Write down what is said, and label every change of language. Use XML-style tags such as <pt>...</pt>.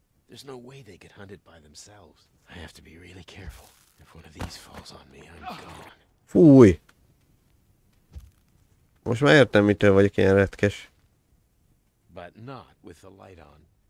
<en>There's no way they get hunted by themselves. I have to be really careful. If one of these falls on me, I'm gone. Fúj.</en> <hu>Most már értem, mitől vagyok ilyen retkes.</hu> <en>But not with the light on.</en>